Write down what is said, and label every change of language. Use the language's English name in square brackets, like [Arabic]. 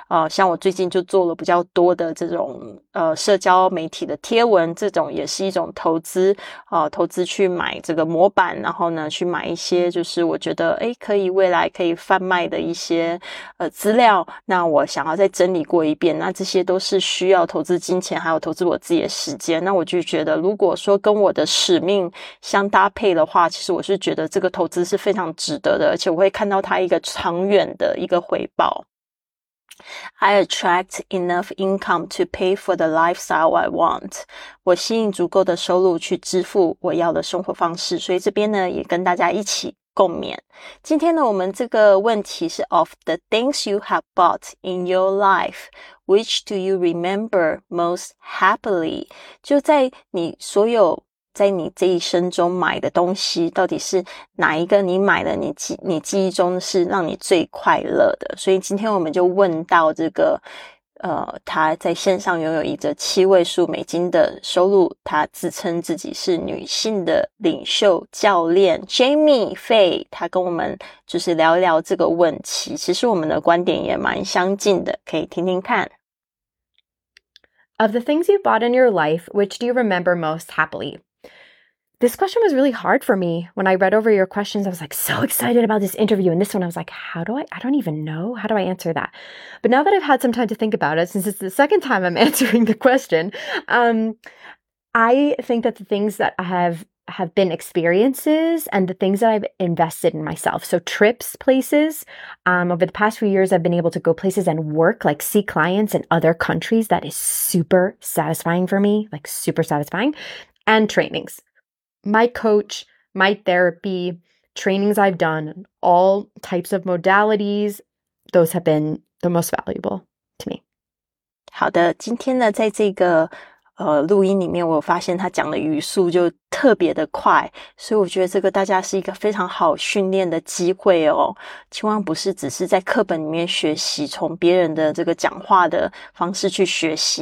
[Chinese] 像我最近就做了比较多的这种社交媒体的贴文，这种也是一种投资，投资去买这个模板，然后呢去买一些就是我觉得可以未来可以贩卖的一些资料，那我想要再整理过一遍，那这些都是需要投资金钱还有投资我自己的时间，那我就觉得如果说跟我的使命相搭配的话，其实我是觉得这个投资是非常值得的，而且我会看到它一个长远的一个回报。 [English] I attract enough income to pay for the lifestyle I want. [Chinese] 我吸引足够的收入去支付我要的生活方式。所以这边呢也跟大家一起共勉。今天呢我们这个问题是 [English] of the things you have bought in your life, which do you remember most happily? [Chinese] 就在你所有在你这一生中买的东西到底是哪一个你买的你记忆中是让你最快乐的。所以今天我们就问到这个他在线上拥有一个七位数美金的收入，他自称自己是女性的领袖教练 Jamie Fay， 他跟我们就是聊一聊这个问题，其实我们的观点也蛮相近的，可以听听看。 [English] Of the things you bought in your life, which do you remember most happily? This question was really hard for me. When I read over your questions, I was like so excited about this interview. And this one, I was like, I don't even know. How do I answer that? But now that I've had some time to think about it, since it's the second time I'm answering the question, I think that the things that I have been experiences and the things that I've invested in myself. So trips, places, over the past few years, I've been able to go places and work, like see clients in other countries. That is super satisfying for me, like super satisfying. And trainings. My coach, my therapy, trainings I've done, all types of modalities, those have been the most valuable to me. [Chinese] 好的，今天呢，在这个录音里面，我发现他讲的语速就特别的快，所以我觉得这个大家是一个非常好训练的机会哦。千万不是只是在课本里面学习，从别人的这个讲话的方式去学习。